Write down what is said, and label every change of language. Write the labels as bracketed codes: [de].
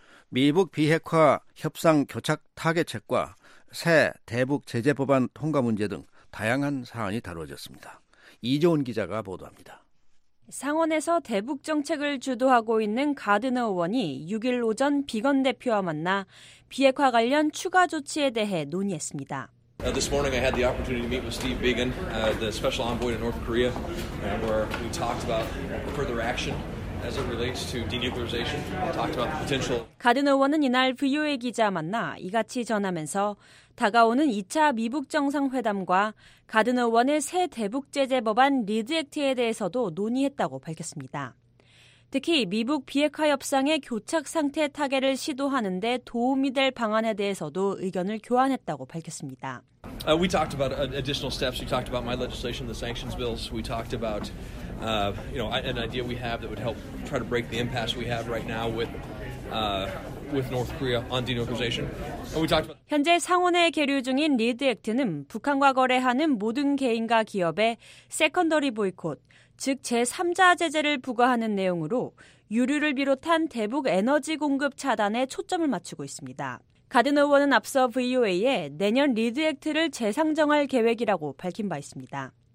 [ko] 미북 비핵화 협상 교착 타개책과 새 대북 제재법안 통과 문제 등 다양한 사안이 다뤄졌습니다. 이조은 기자가 보도합니다. 상원에서 대북 정책을 주도하고 있는 가드너 의원이 6일 오전 비건 대표와 만나 비핵화 관련 추가 조치에 대해 논의했습니다. [en] This morning I had the opportunity to meet with Steve Biegun, the special envoy to North Korea, where we talked about further action. As it relates to denuclearization, talked about the potential. [ko] 가든 의원은 이날 VOA 기자 만나 이같이 전하면서 다가오는 2차 미북 정상회담과 가든 의원의 새 대북 제재 법안 리드 액트에 대해서도 논의했다고 밝혔습니다. 특히 미북 비핵화 협상의 교착 상태 타개를 시도하는 데 도움이 될 방안에 대해서도 의견을 교환했다고 밝혔습니다. [en] We talked about additional steps. We talked about my legislation, the sanctions bills. We talked about an idea we have that would help try to break the impasse we have right now with North Korea on denuclearization. And we talked about [ko] 현재 상원에 계류 중인 리드 액트는 북한과 거래하는 모든 개인과 기업에 세컨더리 보이콧 즉 제3자 제재를 부과하는 내용으로 유류를 비롯한 대북 에너지 공급 차단에 초점을 맞추고 있습니다. 가드너 의원은 앞서 VOA에 내년 리드 액트를 재상정할 계획이라고 밝힌 바 있습니다.